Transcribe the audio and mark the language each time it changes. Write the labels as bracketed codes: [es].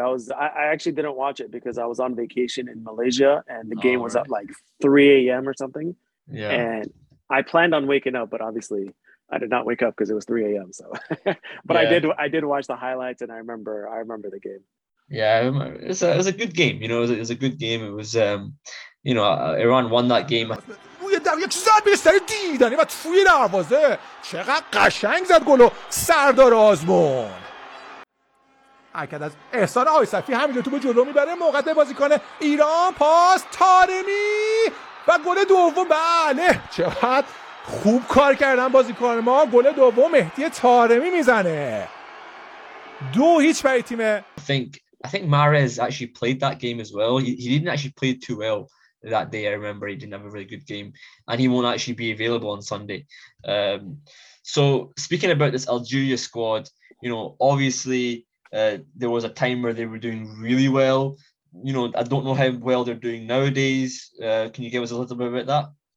[en] I actually didn't watch it because I was on vacation in Malaysia and the game was at like 3 a.m. or something. Yeah. And I planned on waking up, but obviously I did not wake up because it was 3 a.m. So, but yeah. I did watch the highlights and I remember the game. Yeah, it was a good game. You know, it was a good game. It was, you know, Iran won that game. [fa] یک زد به سر دیدنی و توی دروازه چقدر قشنگ زد گلو سردار آزمون اکد از احسان آقای صفی همینجا توپ جلو میبره موقعیت بازیکن ایران پاس طارمی و گل دوم بله چقدر خوب کار کردن بازیکن ما گل دوم مهدی طارمی میزنه 2-0 برای تیم [en] I think Mahrez actually played that game as well. He didn't actually play too well that day. I remember he didn't have a really good game and he won't actually be available on Sunday. So speaking about this Algeria squad, you know, obviously there was a time where they were doing really well. You know, I don't know how well they're doing nowadays. Can you give us a little bit about that?